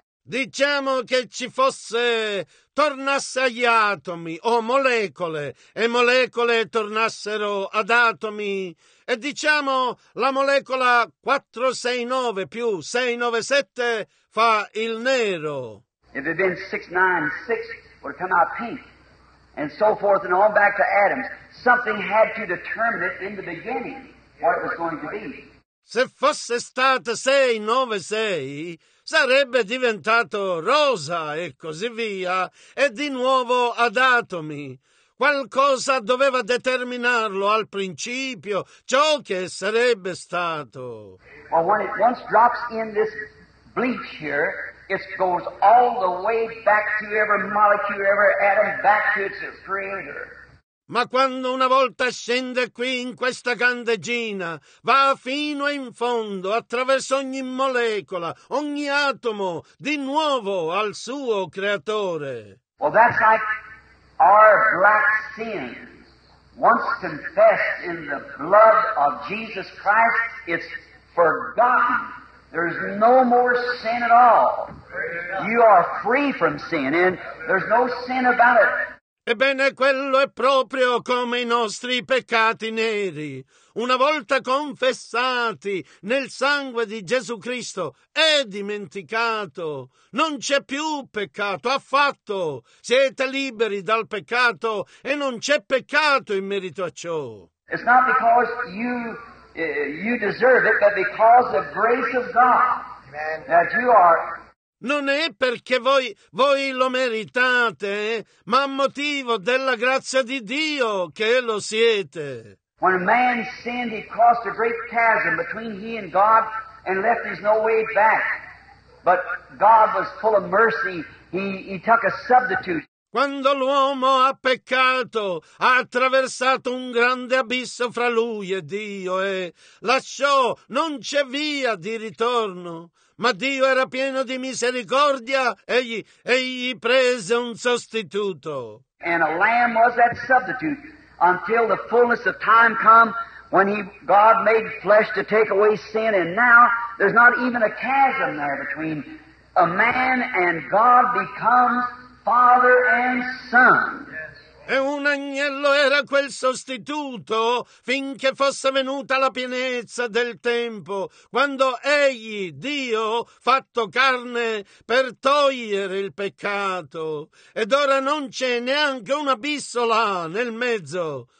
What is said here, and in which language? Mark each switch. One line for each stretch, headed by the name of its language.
Italian: Diciamo che ci fosse, tornasse agli atomi o molecole e molecole tornassero ad atomi e diciamo la molecola 469 più 697 fa il nero.
English: If it'd been 696, it would come out pink and so forth and on back to atoms. Something had to determine it in the beginning what it was going to be.
Italian: Se fosse stata 696, sarebbe diventato rosa e così via, e di nuovo ad atomi. Qualcosa doveva determinarlo al principio, ciò che sarebbe stato.
English: Well, when it once drops in this bleach here, it goes all the way back to every molecule, every atom, back to its creator.
Italian: Ma quando una volta scende qui in questa candeggina, va fino in fondo, attraverso ogni molecola, ogni atomo, di nuovo al suo creatore.
English: Well, that's like our black sins. Once confessed in the blood of Jesus Christ, it's forgotten. There's no more sin at all. You are free from sin, and there's no sin about it.
Italian: Ebbene, quello è proprio come i nostri peccati neri. Una volta confessati nel sangue di Gesù Cristo, è dimenticato. Non c'è più peccato affatto. Siete liberi dal peccato e non c'è peccato in merito a ciò.
English: It's not because you deserve it, but because of grace of God. Amen. That you are.
Italian: Non è perché voi lo meritate, ma a motivo della grazia di Dio che lo siete.
English: When a man sinned, he crossed a great chasm between he and God and left his no way back. But God was full of mercy. He took a substitute.
Italian: Quando l'uomo ha peccato, ha attraversato un grande abisso fra lui e Dio e lasciò, non c'è via di ritorno. Ma Dio era pieno di misericordia, egli prese un sostituto.
English: And a lamb was that substitute until the fullness of time come when God made flesh to take away sin. And now there's not even a chasm there between a man and God becomes father and son. Yes.
Italian: E un agnello era quel sostituto finché fosse venuta la pienezza del tempo, quando egli, Dio, fatto carne per togliere il peccato. Ed ora non c'è neanche un abisso là nel mezzo.